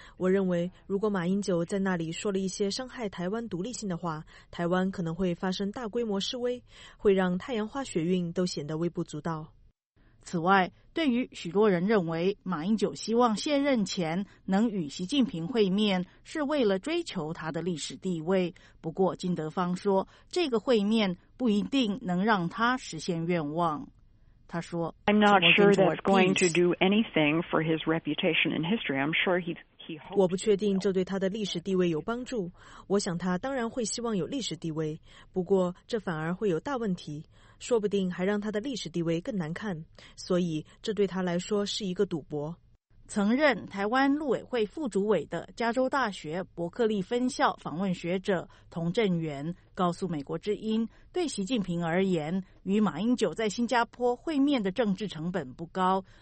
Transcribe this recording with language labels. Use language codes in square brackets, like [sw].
[zh] 我认为，如果马英九在那里说了一些伤害台湾独立性的话，台湾可能会发生大规模示威，会让太阳花学运都显得微不足道。此外，对于许多人认为马英九希望卸任前能与习近平会面，是为了追求他的历史地位。不过金德芳说，这个会面不一定能让他实现愿望。他说 [en] I'm not sure that's going to do anything for his reputation in history. I'm sure he's We [zh] 不确定这对他的历史地位有帮助。我想他当然会希望有历史地位，不过这反而会有大问题，说不定还让他的历史地位更难看，所以这对他来说是一个赌博。曾任台湾陆委会副主委的加州大学伯克利分校访问学者童振源告诉美国之音，对习近平而言，与马英九在新加坡会面的政治成本不高，